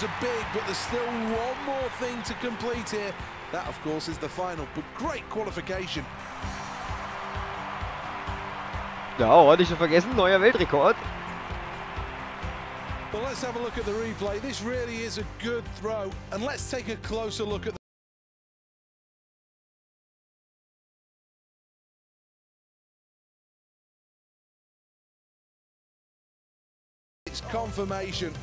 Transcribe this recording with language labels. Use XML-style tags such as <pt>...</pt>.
<en>That of course is the final, but great qualification.</en> <de>Ja, oh, hatte ich schon vergessen, neuer Weltrekord.</de> <en>But let's have a look at the replay. This really is a good throw, and let's take a closer look at the confirmation.</en>